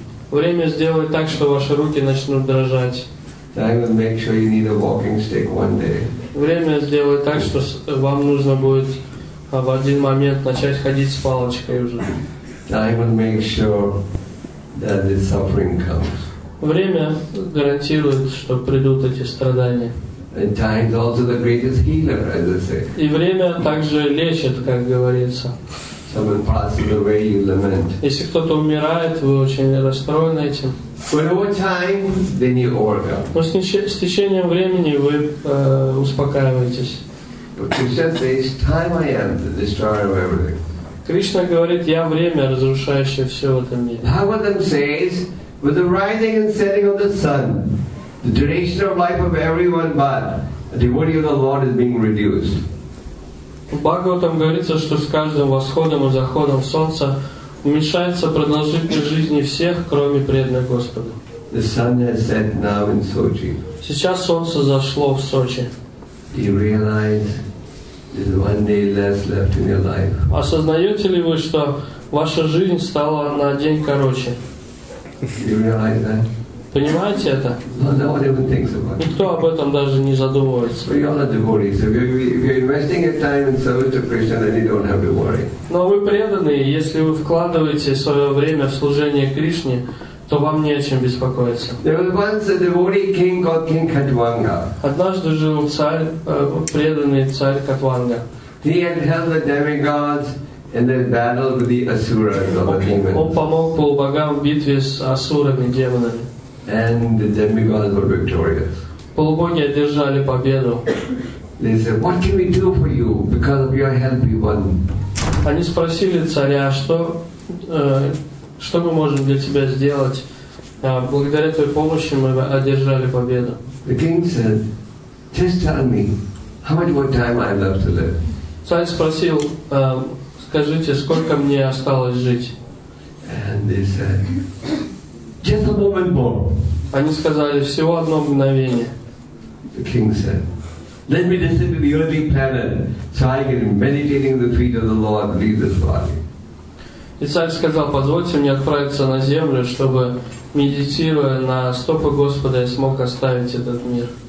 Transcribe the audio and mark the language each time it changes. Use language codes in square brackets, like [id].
[ru] Время сделает так, что ваши руки начнут дрожать. Время сделает так, что вам нужно будет в один момент начать ходить с палочкой уже. [en] Time will make sure that the suffering comes. [ru] Время гарантирует, что придут эти страдания. [en] And time is also the greatest healer, as I say. [ru] И время также лечит, как говорится. [en] Someone passes away, you lament. [ru] Если кто-то умирает, вы очень расстроены этим. [en] But over time, then you overcome. [ru] Но с течением времени вы успокаиваетесь. [en] But Krishna says, "Time I am, the destroyer of everything." [ru] Кришна говорит, я время, разрушающее все в этом мире. [en] Bhagavatam says, with the rising and setting of the sun, the duration of life of everyone but a devotee of the Lord is being reduced. [ru] Бхагаватам говорится, что с каждым восходом и заходом солнца уменьшается продолжительность жизни всех, кроме преданных Господа. [en] The sun has set now in Sochi. [ru] Сейчас солнце зашло в Сочи. [en] You realize? Is one day less left in your life. [ru] Осознаете ли вы, что ваша жизнь стала на день короче? [en] You realize that? [ru] Понимаете это? [en] No, no one even thinks about it. [ru] Никто об этом даже не задумывается. [en] But you're not devotees. If you're investing your time in service to Krishna, then you don't have to worry. [ru] Но вы преданные, если вы вкладываете свое время в служение Кришне, то вам не о чем беспокоиться. [en] There was once a devotee king called King Katwanga. [ru] Однажды жил царь, преданный царь Катванга. [en] He had helped the demigods in the battle with the asuras, the demons. [ru] Он помог полубогам в битве с асурами, демонами. [en] And the demigods were victorious. [ru] Полубоги одержали победу. [en] They said, "What can we do for you? Because of your help, we won." [ru] Они спросили царя, что мы можем для тебя сделать? Благодаря твоей помощи мы одержали победу. [en] The king said, "Just tell me how much more time I have to live." [ru] Царь спросил, скажите, сколько мне осталось жить? [en] And they said, "Just a moment more." [ru] Они сказали, всего одно мгновение. [en] The king said, "Let me listen to the early prayer, so I can meditate at the feet of the Lord, leave this body." [ru] И царь сказал, позвольте мне отправиться на землю, чтобы, медитируя на стопы Господа, я смог оставить этот мир.